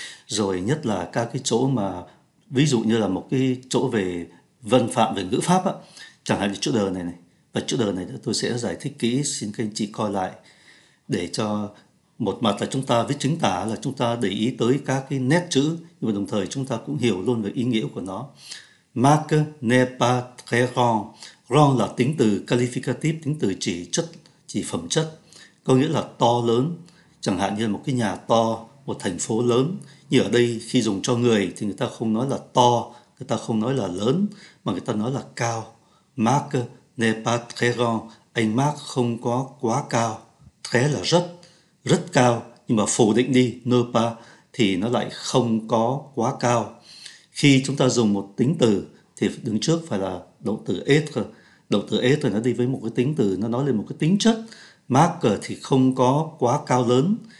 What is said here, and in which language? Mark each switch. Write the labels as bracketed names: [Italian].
[Vietnamese] Rồi nhất là các cái chỗ mà, ví dụ như là một cái chỗ về vân phạm về ngữ pháp á, chẳng hạn như chữ đờ này này, và chữ đờ này tôi sẽ giải thích kỹ, xin các anh chị coi lại, để cho một mặt là chúng ta viết chính tả là chúng ta để ý tới các cái nét chữ, nhưng mà đồng thời chúng ta cũng hiểu luôn về ý nghĩa của nó. [French] Marc n'est pas très grand. [Vietnamese] Grand là tính từ qualificative, tính từ chỉ chất, chỉ phẩm chất, có nghĩa là to lớn, chẳng hạn như một cái nhà to, một thành phố lớn. Như ở đây khi dùng cho người thì người ta không nói là to, người ta không nói là lớn, mà người ta nói là cao. [French] Marc n'est pas très grand. [Vietnamese] Anh Marc không có quá cao. Très là rất, rất cao. Nhưng mà phủ định đi, ne pas, thì nó lại không có quá cao. Khi chúng ta dùng một tính từ, thì đứng trước phải là động từ être. Động từ être nó đi với một cái tính từ, nó nói lên một cái tính chất. Marc thì không có quá cao lớn.